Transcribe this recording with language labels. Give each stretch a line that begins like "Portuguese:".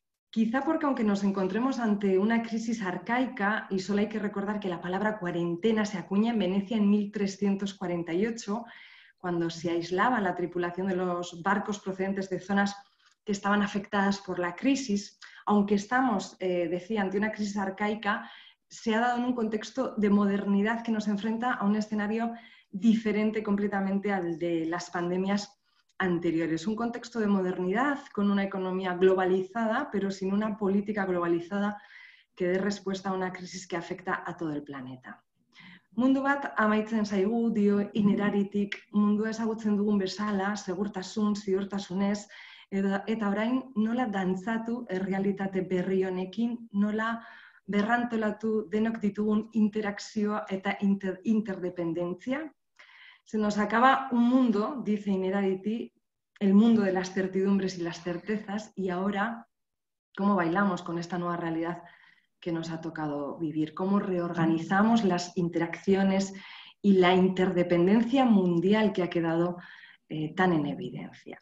Spanish: Quizá porque aunque nos encontremos ante una crisis arcaica, y solo hay que recordar que la palabra cuarentena se acuña en Venecia en 1348, cuando se aislaba la tripulación de los barcos procedentes de zonas que estaban afectadas por la crisis, aunque estamos, decía, ante una crisis arcaica, se ha dado en un contexto de modernidad que nos enfrenta a un escenario diferente completamente al de las pandemias anteriores. Un contexto de modernidad con una economía globalizada, pero sin una política globalizada que dé respuesta a una crisis que afecta a todo el planeta.
Basque: Mundu bat amaitzen zaigu dio Inneraritik, mundu ezagutzen dugun bezala, segurtasun, ziurtasunez, eta orain nola dantzatu errealitate berri honekin, nola berrantolatu denok ditugun interakzioa eta interdependentzia.
Spanish: Se nos acaba un mundo, dice Inneraritik, el mundo de las certidumbres y las certezas, y ahora, ¿cómo bailamos con esta nueva realidad que nos ha tocado vivir? ¿Cómo reorganizamos las interacciones y la interdependencia mundial que ha quedado tan en evidencia?